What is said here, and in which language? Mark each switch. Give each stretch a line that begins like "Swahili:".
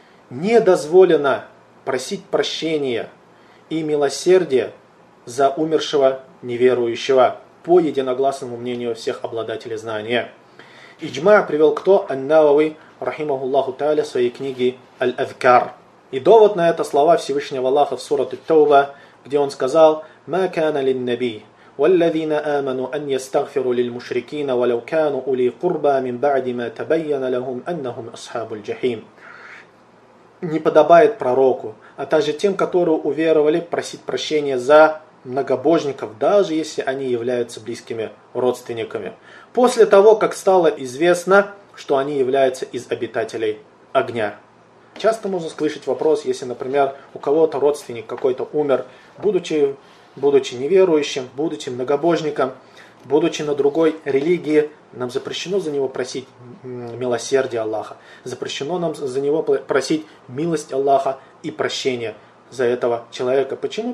Russian: Не дозволено просить прощения и милосердия за умершего неверующего по единогласному мнению всех обладателей знания. Иджма привел кто? Ан-Навави, рахимахуллаху та'аля, в своей книге «Аль-Азкар». И довод на это слова Всевышнего Аллаха в сурате Тауба, где он сказал:
Arabic: «Ма кана лин-наби والذين آمنوا أن يستغفروا للمشركين ولو كانوا أولي قربى من بعد ما تبين لهم أنهم أصحاب الجحيم».
Russian: Не подобает пророку, а также тем, которые уверовали, просить прощения за многобожников, даже если они являются близкими родственниками, после того, как стало известно, что они являются из обитателей огня. Часто можно слышать вопрос, если, например, у кого-то родственник какой-то умер, будучи неверующим, будучи многобожником, будучи на другой религии, нам запрещено за него просить милосердия Аллаха, запрещено нам за него просить милость Аллаха и прощения за этого человека. Почему?